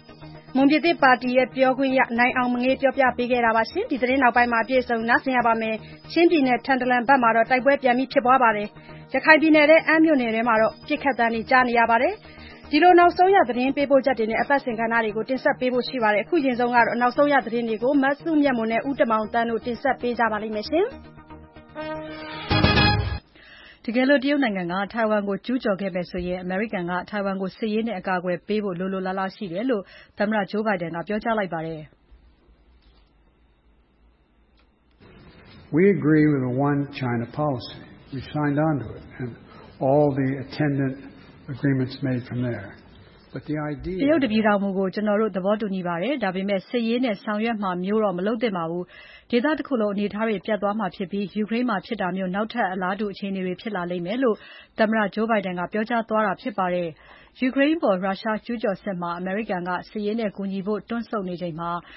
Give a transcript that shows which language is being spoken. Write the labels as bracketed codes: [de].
[my] ။မွန်ပြည်သက်ပါတီရဲ့ပြောခွင့်ရနိုင်အောင်မငေးပြောပြပေးခဲ့တာပါရှင်။ဒီသတင်းနောက်ပိုင်းမှာပြည့်စုံနားဆင်ရပါမယ်။ချင်းပြည်နယ်ထန်တလန်ဘက်မှာတော့တိုက်ပွဲပြန်ပြီးဖြစ်ပွားပါတယ်။ရခိုင်ပြည်နယ်နဲ့အမ်းမြွနယ်တွေမှာတော့ပြစ်ခတ်တန်းတွေကြားနေရပါတယ်။ဒီလိုနောက်ဆုံးရသတင်းပေးပို့ချက်တွေနဲ့အပတ်စဉ်ခန်းနာတွေကိုတင်ဆက်ပေးဖို့ရှိပါတယ်။အခုရင်ဆုံးကတော့နောက်ဆုံးရသတင်းတွေကိုမတ်စုမြတ်မွန်နဲ့ဦးတမောင်တန်းတို့တင်ဆက်ပေးကြပါလိမ့်မယ်ရှင်။တကယ်လို့တရုတ်နိုင်ငံကထိုင်ဝမ်ကိုကျူးကျော်ခဲ့ပဲဆိုရင်အမေရိကန်ကထိုင်ဝမ်ကိုစစ်ရေးနဲ့အကာအကွယ်ပေးဖို့လိုလိုလားလားရှိတယ်လို့သမ္မတဂျိုးဘိုင်ဒန်ကပြောကြားလိုက်ပါတယ် [en] ။ We agree with the one China policy. We signed on to it and all the attendant agreements made from there but the idea [my] တရုတ်တပြည်တော်မှုကိုကျွန်တော်တို့သဘောတူညီပါတယ်ဒါပေမဲ့စစ်ရေးနဲ့ဆောင်ရွက်မှာမျိုးတော့မလုပ်သင့်ပါဘူးဒေသတစ်ခုလုံးအနေထားတွေပြတ်သွားမှာဖြစ်ပြီးယူကရိန်းမှာဖြစ်တာမျိုးနောက်ထပ်အလားတူအခြေအနေတွေဖြစ်လာလိမ့်မယ်လို့သမ္မတဂျိုးဘိုင်ဒန်ကပြောကြားသွားတာဖြစ်ပါတယ်ယူကရိန်းပေါ်ရုရှားကျူးကျော်ဆက်မှာအမေရိကန်ကစစ်ရေးနဲ့ကူညီဖို့တွန်းဆုတ်နေချိန်မှာ